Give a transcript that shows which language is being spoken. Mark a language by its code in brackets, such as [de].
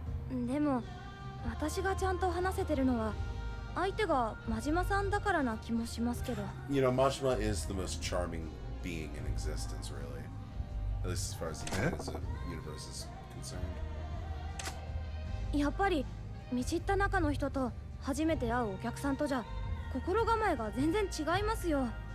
[ja] でも私がちゃんと話せてるのは相手がマジマさんだからな気もしますけど。 [en] You know, Majima is the most charming being in existence, really. At least as far as the universe is concerned. [ja] やっぱり見知った中の人と初めて会うお客さんとじゃ心構えが全然違いますよ。